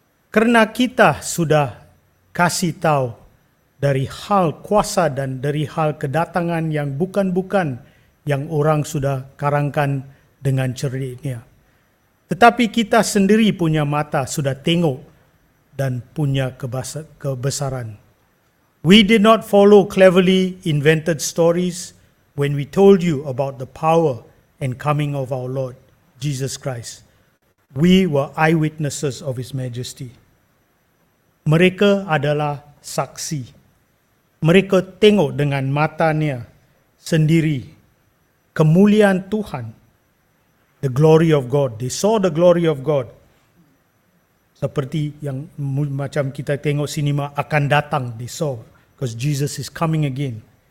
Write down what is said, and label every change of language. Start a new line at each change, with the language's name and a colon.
Malay: Karena kita sudah kasih tahu dari hal kuasa dan dari hal kedatangan yang bukan-bukan yang orang sudah karangkan dengan ceritanya. Tetapi kita sendiri punya mata sudah tengok dan punya kebesaran.
English: We did not follow cleverly invented stories when we told you about the power and coming of our Lord Jesus Christ. We were eyewitnesses of His majesty.
Malay: Mereka adalah saksi. Mereka tengok dengan matanya sendiri kemuliaan Tuhan.
English: The glory of God. They saw the glory of God.
Malay: Seperti yang macam kita tengok sinema akan datang.
English: They saw. Because Jesus is coming again.